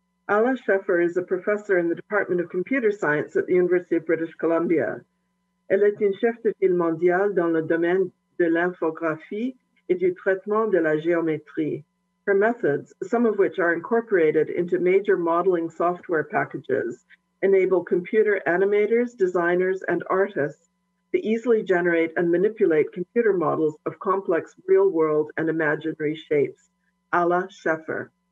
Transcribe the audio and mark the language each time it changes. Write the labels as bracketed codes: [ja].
[en] Alla Scheffer is a professor in the Department of Computer Science at the University of British Columbia. [fr] Elle est une chef de file mondiale dans le domaine de l'infographie et du traitement de la géométrie. [en] Her methods, some of which are incorporated into major modeling software packages, enable computer animators, designers, and artists to easily generate and manipulate computer models of complex real-world and imaginary shapes. Alla Scheffer.